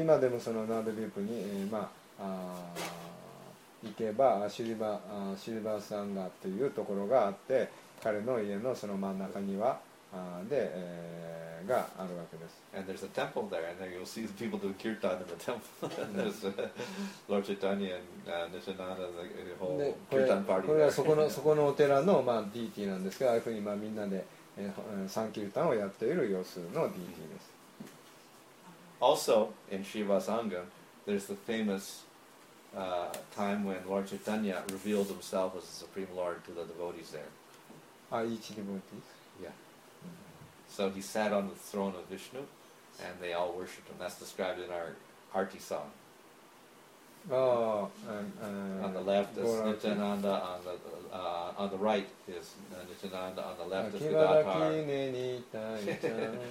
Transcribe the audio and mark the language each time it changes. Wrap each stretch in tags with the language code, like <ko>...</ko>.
<ja>今でもそのナードビープに、まあ行けばシルバーサンガというところがあって彼の家のその真ん中庭で、があるわけです。</ja> <en>And there's a temple there, and there you'll see the people doing kirtan in the temple. There's Lord Chaitanya and Nityananda, the whole kirtan party.</en> <ja>これはそこのお寺のまあ DT なんですけど、ああいうふうにまあみんなで、サンキルタンをやっている様子の DT です。</ja> <en>Also in Shiva Sangha. There's the famous time when Lord Chaitanya revealed himself as the Supreme Lord to the devotees there. Each devotee? Yeah. So he sat on the throne of Vishnu, and they all worshipped him. That's described in our Arti song. On the left is Nityananda, on the right is Nityananda, on the left is Gadadhar.</en>